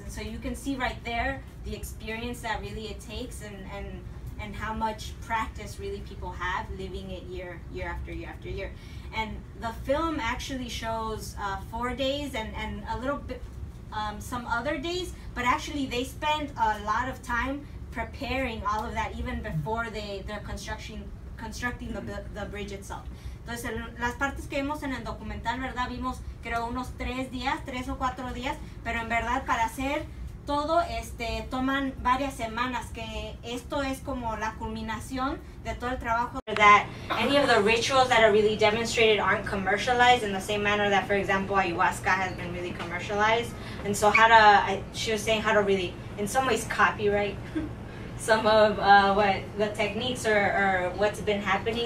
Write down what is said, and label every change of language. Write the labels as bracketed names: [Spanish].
[English] And so you can see right there the experience that really it takes and how much practice really people have living it year after year after year. And the film actually shows 4 days and a little bit, some other days, but actually they spend a lot of time preparing all of that even before they're constructing the bridge itself. [Spanish] Entonces, las partes que vimos en el documental, ¿verdad? Vimos, creo, unos 3 días, 3 o 4 días, pero en verdad para hacer todo, toman varias semanas, que esto es como la culminación de todo el trabajo. [English] That any of the rituals that are really demonstrated aren't commercialized in the same manner that, for example, ayahuasca has been really commercialized. And so she was saying how to really, in some ways, copyright some of what the techniques or what's been happening.